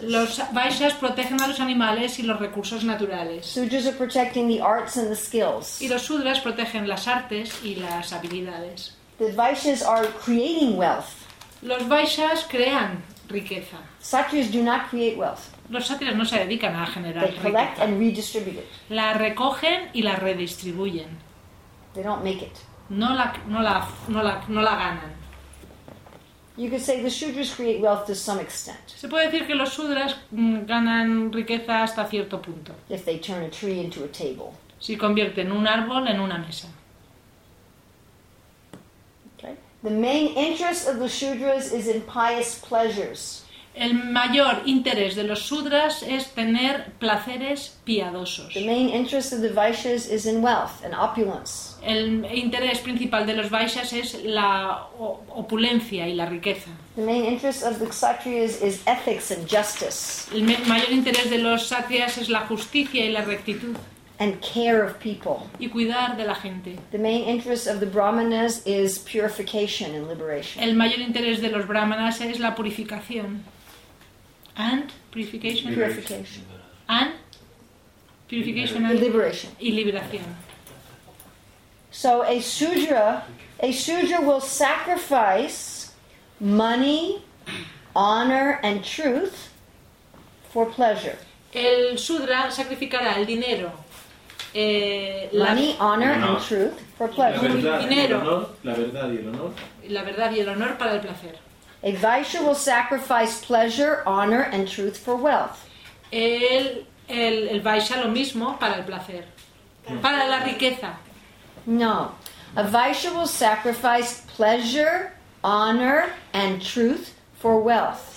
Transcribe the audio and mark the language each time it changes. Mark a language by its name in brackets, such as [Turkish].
[Spanish] Los vaishyas protegen a los animales y los recursos naturales. [English] Sudras are protecting the arts and the skills. [Spanish] Y los sudras protegen las artes y las habilidades. [English] The Vaishyas are creating wealth. [Spanish] Los Vaishyas crean riqueza. [English] Satrias do not create wealth. [Spanish] Los Satrias no se dedican a generar riqueza. [English] They collect and redistribute it. [Spanish] La recogen y la redistribuyen. [English] They don't make it. [Spanish] No la ganan. [English] You could say the Shudras create wealth to some extent. [Spanish] Se puede decir que los Shudras ganan riqueza hasta cierto punto. [English] If they turn a tree into a table. [Spanish] Si convierten un árbol en una mesa. [English] Okay. The main interest of the Shudras is in pious pleasures. [Spanish] El mayor interés de los Shudras es tener placeres piadosos. [English] The main interest of the Vaishyas is in wealth and opulence. [Spanish] El interés principal de los Vaishyas es la opulencia y la riqueza. [English] The main interest of the Kshatriyas is ethics and justice. [Spanish] El mayor interés de los Kshatriyas es la justicia y la rectitud. [English] And care of people. [Spanish] Y cuidar de la gente. [English] The main interest of the Brahmanas is purification and liberation. [Spanish] El mayor interés de los Brahmanas es la purificación. [English] And purification. Purification. And purification and liberation. [Spanish] Y liberación. [English] So a Shudra will sacrifice money, honor and truth for pleasure. [Spanish] El Shudra sacrificará el dinero. [English] Money, honor, no. And truth for pleasure. [Spanish] La verdad, dinero. La verdad y el honor. La verdad y el honor para el placer. [English] A Vaishya will sacrifice pleasure, honor, and truth for wealth. [Spanish] El Vaishya lo mismo para el placer. No. Para la riqueza. No. [English] A Vaishya will sacrifice pleasure, honor, and truth for wealth.